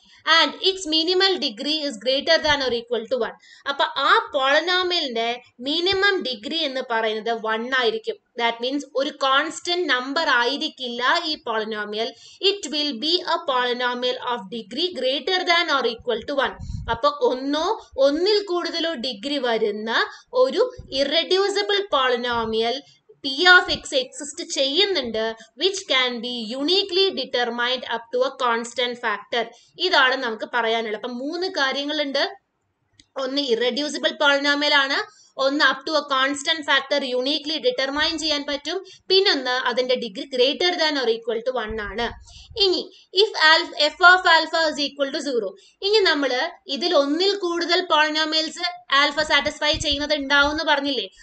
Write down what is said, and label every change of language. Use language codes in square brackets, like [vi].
[en] And it's minimum degree is greater than or equal to one. [ml] അപ്പൊ ആ പോളിനോമിയലിന്റെ minimum degree എന്ന് പറയുന്നത് വൺ ആയിരിക്കും. [en] that means [ml] ഒരു കോൺസ്റ്റന്റ് നമ്പർ ആയിരിക്കില്ല ഈ polynomial. [en] It will be a polynomial of degree greater than or equal to one. [ml] അപ്പൊ ഒന്നോ ഒന്നിൽ കൂടുതലോ ഡിഗ്രി വരുന്ന ഒരു irreducible polynomial P of x exist ചെയ്യുന്നുണ്ട് [en] which can be uniquely determined up to a constant factor. [ml] ഇതാണ് നമുക്ക് പറയാനുള്ളത്. അപ്പം മൂന്ന് കാര്യങ്ങളുണ്ട്, ഒന്ന് ഇറെഡ്യൂസിബിൾ പോളിനോമിയൽ ആണ്, ഒന്ന് [en] up to a constant factor [ml] uniquely determine ചെയ്യാൻ പറ്റും, പിന്നൊന്ന് അതിന്റെ degree [en] greater than or equal to one [ml] ആണ്. ഇനി [en] if F of alpha is equal to zero, [ml] ഇനി നമ്മൾ ഇതിൽ ഒന്നിൽ കൂടുതൽ പോളിനോമിയൽസ് ആൽഫ സാറ്റിസ്ഫൈ ചെയ്യുന്നത് ഉണ്ടാവും എന്ന് പറഞ്ഞില്ലേ.